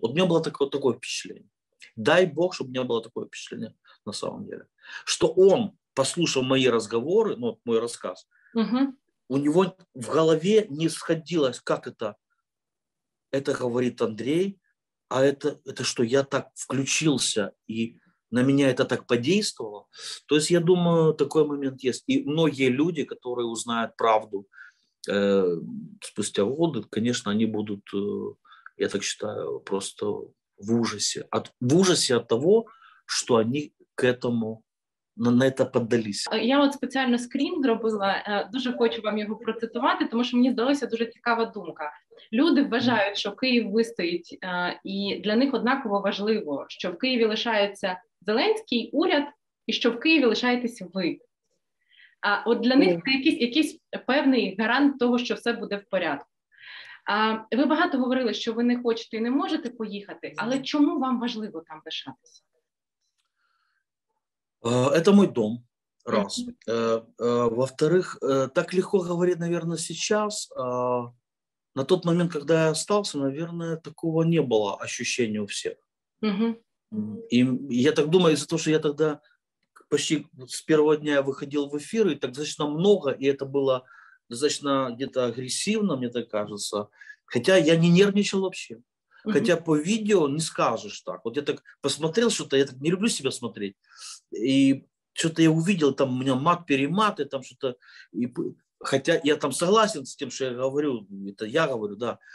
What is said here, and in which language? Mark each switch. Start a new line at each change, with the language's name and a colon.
Russian: Вот у меня было такое впечатление. Дай Бог, чтобы у меня было такое впечатление на самом деле, что он, послушав мои разговоры, ну, мой рассказ, у него в голове не сходилось, как это говорит Андрей, а это что, я так включился, и на меня это так подействовало. То есть я думаю, такой момент есть. И многие люди, которые узнают правду спустя годы, конечно, они будут, я так считаю, просто...
Ukrainian: В ужасі від того, що вони
Russian: к этому
Ukrainian: на це піддалися. Я от спеціально скрін зробила, дуже хочу вам його процитувати, тому що мені здалася дуже цікава думка. Люди вважають, що Київ вистоїть, і для них однаково важливо, що в Києві лишається Зеленський уряд, і що в Києві лишаєтесь ви. А от для них це якийсь певний гарант того, що все буде в порядку. Ви багато говорили, що ви не хочете і не можете поїхати, але чому вам важливо там лишатися? Це мій дім, раз.
Russian: Во-вторых,
Ukrainian: так легко говорити, мабуть, зараз. На той момент, коли я залишився, мабуть, такого не було відчуття у всіх. І я так думаю, із-за того, що я тоді майже з першого дня виходив в ефір, і так достатньо багато, і це було...
Russian: достаточно где-то агрессивно, мне так кажется. Хотя я не нервничал вообще. Хотя по видео не скажешь так. Вот я так посмотрел что-то, я так не люблю себя смотреть. И что-то я увидел, там у меня мат-перемат, и там что-то... И, хотя я там согласен с тем, что я говорю, это я говорю, да.